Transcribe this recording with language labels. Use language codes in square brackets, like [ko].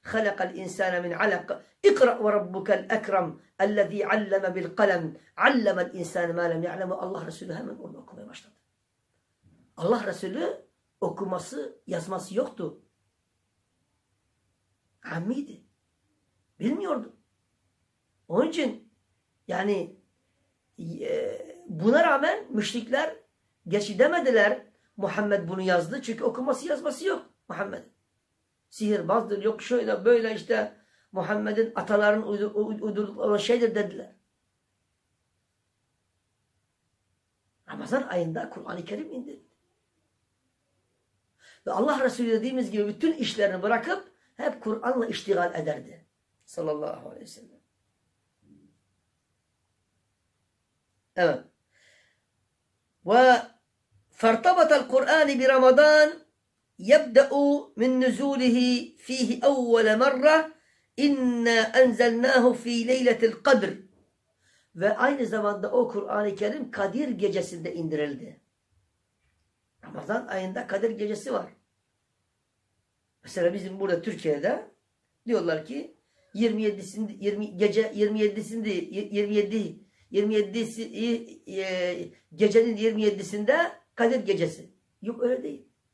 [ar] خلق الإنسان من علق اقرأ وربك الأكرم الذي علم بالقلم علم الإنسان ما لم يعلم. [tr] Allah Resulü hemen onu okumaya başladı. Allah Resulü okuması yazması yoktu. Ammiydi. Bilmiyordu. Onun için yani buna rağmen müşrikler geçi demediler Muhammed bunu yazdı. Çünkü okuması yazması yok Muhammed'in. Sihirbazdır, yok şöyle böyle işte Muhammed'in ataların uydurdukları şeydir dediler. Ramazan ayında Kur'an-ı Kerim indi. Ve Allah Resulü dediğimiz gibi bütün işlerini bırakıp hep Kur'an'la iştigal ederdi. Sallallahu aleyhi ve sellem. Evet. [ar] Ve fertabatel Kur'an bi Ramazan يبدأ من نزوله فيه أول مرة إنا أنزلناه في ليلة القدر. [tr] Ve aynı zamanda o Kur'an-ı Kerim Kadir gecesinde indirildi. Ramazan ayında Kadir gecesi var. Mesela bizim burada Türkiye'de diyorlar ki 27'sinde 20 gece 27'sinde 27 27 gecenin 27'sinde Kadir gecesi. Yok öyle değil.